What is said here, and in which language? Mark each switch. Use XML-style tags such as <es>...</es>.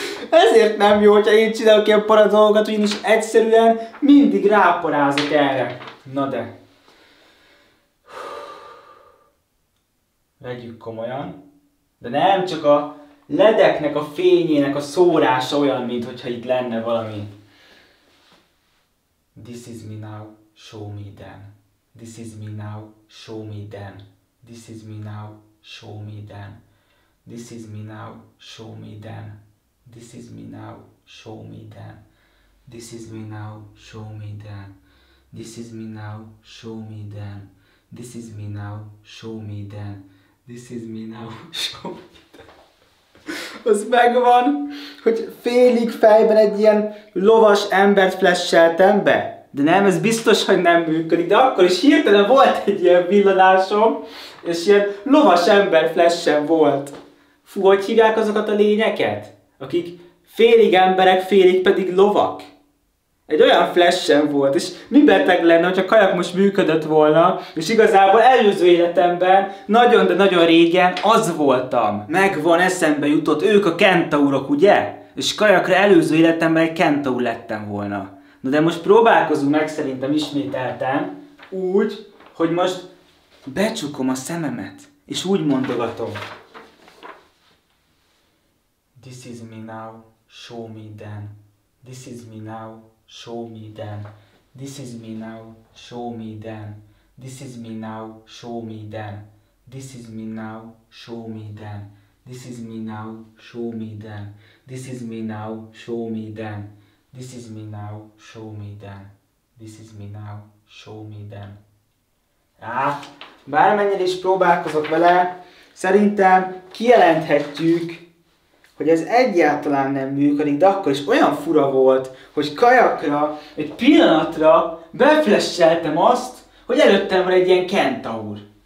<hu>Ezért nem jó, hogyha én csinálok ilyen para dolgokat, ugyanis egyszerűen mindig ráparázok erre. Na de... Vegyük komolyan. De nem csak a ledeknek a fényének a szórása olyan, mintha itt lenne valami.</hu> <en>This is me now, show me then. This is me now, show me then. This is me now, show me then. This is me now, show me then. This is me now, show me then. This is me now, show me then. This is me now, show me then. This is me now, show me then. This is me now, show me then.</en> <hu>Az megvan, hogy félig fejben egy ilyen lovas embert flash-eltem be. De nem, ez biztos, hogy nem működik, de akkor is hirtelen volt egy ilyen villanásom, és ilyen lovas ember flash-em volt. Fú, hogy hívják azokat a lényeket? Akik félig emberek, félig pedig lovak. Egy olyan flash-em volt, és mi beteg lenne, hogyha kajak most működött volna, és igazából előző életemben, nagyon, de nagyon régen az voltam. Megvan, eszembe jutott, ők a kentaurok, ugye? És kajakra előző életemben egy kentaur lettem volna. Na de most próbálkozunk meg szerintem ismételten, úgy, hogy most becsukom a szememet, és úgy mondogatom.</hu> <en>This is me now, show me then. This is me now, show me then. This is me now, show me then. This is me now, show me then. This is me now, show me then. This is me now, show me then. This is me now, show me then. This is me now, show me then. This is me now, show me then.</en> <hu>Á, bármennyire is próbálkozok vele, szerintem kijelenthetjük, hogy ez egyáltalán nem működik, de akkor is olyan fura volt, hogy kajakra, egy pillanatra beflesseltem azt, hogy előttem van egy ilyen kentaur.</hu>